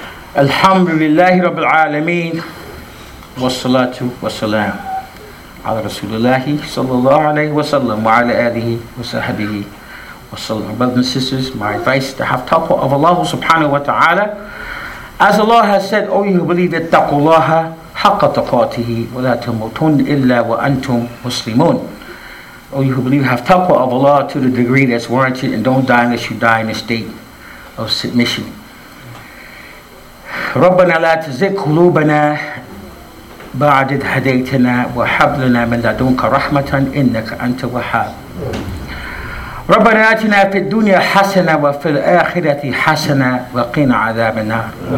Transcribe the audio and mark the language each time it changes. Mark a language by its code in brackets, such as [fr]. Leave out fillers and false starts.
[ar] الحمد لله رب العالمين والصلاة والسلام على رسول الله صلى الله عليه وسلم وعلى آله وصحبه وسلم. [en] Brothers and sisters, my advice to have taqwa of Allah subhanahu wa ta'ala. As Allah has said, O you who believe, [ar] اتقوا الله حق تقاته ولا تموتن إلا وأنتم مسلمون. [en] O you who believe, have taqwa of Allah to the degree that's warranted, and don't die unless you die in a state of submission. [ar] ربنا لا تزغ قلوبنا بعد إذ هديتنا وهب لنا من لدنك رحمة إنك أنت الوهاب. ربنا آتنا في الدنيا حسنة وفي الآخرة حسنة وقنا عذاب النار.